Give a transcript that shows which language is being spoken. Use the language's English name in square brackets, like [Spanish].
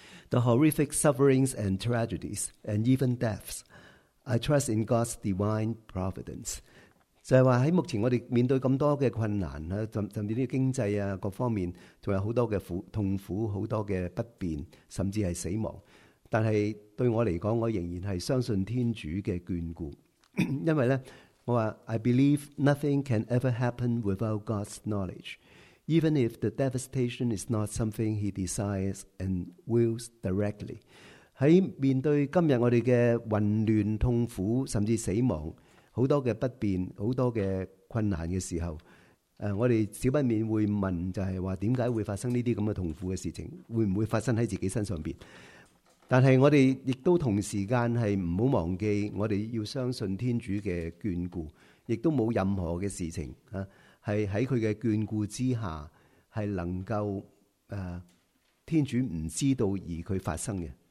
[English] The horrific sufferings and tragedies, and even deaths, I trust in God's divine providence. [Chinese] 就是说在目前我们面对这么多的困难，甚至经济啊各方面，还有很多的痛苦，很多的不便，甚至是死亡。但是对我来说，我仍然是相信天主的眷顾。因为呢，我说 [English] I believe nothing can ever happen without God's knowledge. Even if the devastation is not something he desires and wills directly. [Chinese] 在面对今天我们的混乱、痛苦，甚至死亡，很多的不便，很多的困难的时候，我们少不免会问，就是说为什么会发生这些痛苦的事情，会不会发生在自己身上。但是我们也都同时间是不要忘记，我们要相信天主的眷顾，也都没有任何的事情是在他的眷顾之下，是能够天主不知道而他发生的。